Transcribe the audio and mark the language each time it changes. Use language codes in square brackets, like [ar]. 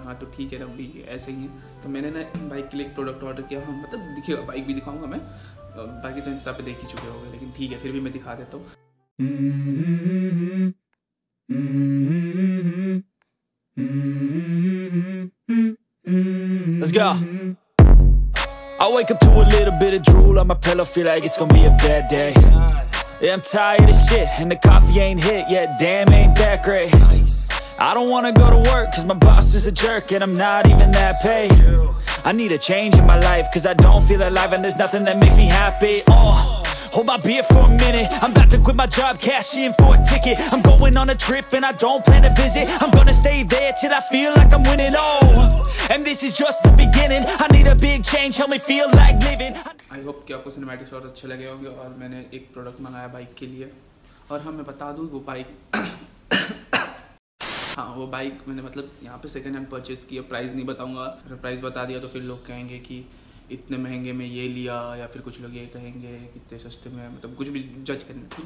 [hi] हाँ तो ठीक है ना, अभी ऐसे ही है। तो मैंने ना बाइक के लिए एक प्रोडक्ट ऑर्डर किया, हाँ मतलब दिखेगा, बाइक भी दिखाऊंगा मैं, बाकी तो इंस्टा पे देख ही चुके होंगे, लेकिन ठीक है फिर भी मैं दिखा देता हूँ। [en] I wake up to a little bit of drool on my pillow, feel like it's gonna be a bad day. Yeah, I'm tired of shit and the coffee ain't hit yet, damn ain't that great. I don't wanna go to work cause my boss is a jerk and I'm not even that paid. I need a change in my life cause I don't feel alive and there's nothing that makes me happy. Hold my beer for a minute, I'm about to quit my job, cash in for a ticket. I'm going on a trip and I don't plan to visit. I'm gonna stay there till I feel like I'm winning all. And this is just the beginning, I need a big change, help me feel like living. I hope [hi] कि आपको cinematic shot अच्छे लगे होंगे और मैंने एक product मंगाया bike के लिए। और हाँ मैं बता दूँ, वो बाइक हाँ वो बाइक मैंने मतलब यहाँ पे सेकेंड हैंड परचेज की है। प्राइस नहीं बताऊँगा, अगर प्राइस बता दिया तो फिर लोग कहेंगे कि इतने महंगे में ये लिया, या फिर कुछ लोग ये कहेंगे इतने सस्ते में, मतलब कुछ भी जज करना।